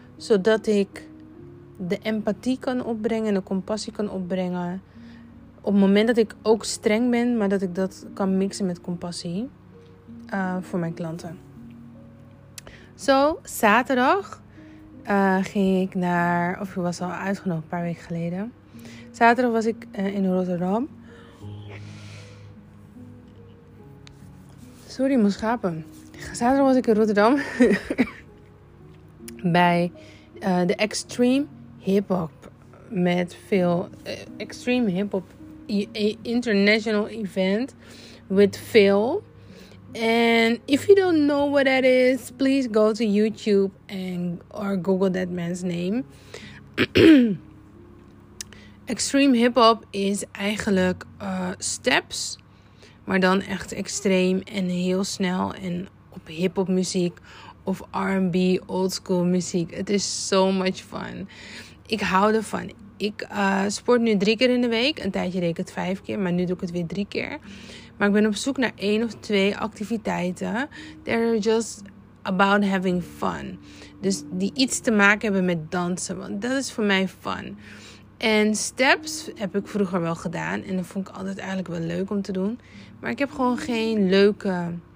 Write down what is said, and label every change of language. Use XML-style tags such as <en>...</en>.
<nl>Zodat ik de empathie kan opbrengen, de compassie kan opbrengen. Op het moment dat ik ook streng ben, maar dat ik dat kan mixen met compassie voor mijn klanten. Zo, zaterdag ging ik naar, of ik was al uitgenodigd een paar weken geleden. Zaterdag was ik in Rotterdam. Sorry, ik moest schapen. Zaterdag was ik in Rotterdam. Bij de Extreme Hip Hop. Met veel Extreme Hip Hop International Event.</nl> <en>With Phil. And if you don't know what that is, please go to YouTube and or Google that man's name.</en> <nl>Extreme Hip Hop is eigenlijk steps. Maar dan echt extreem en heel snel. En op hip hop muziek. Of R&B, old school muziek. Het is</nl> <en>so much fun.</en> <nl>Ik hou ervan. Ik sport nu 3 keer in de week. Een tijdje deed ik het 5 keer. Maar nu doe ik het weer 3 keer. Maar ik ben op zoek naar 1 of 2 activiteiten.</nl> <en>That are just about having fun.</en> <nl>Dus die iets te maken hebben met dansen. Want dat is voor mij fun. En steps heb ik vroeger wel gedaan. En dat vond ik altijd eigenlijk wel leuk om te doen. Maar ik heb gewoon geen leuke...</nl>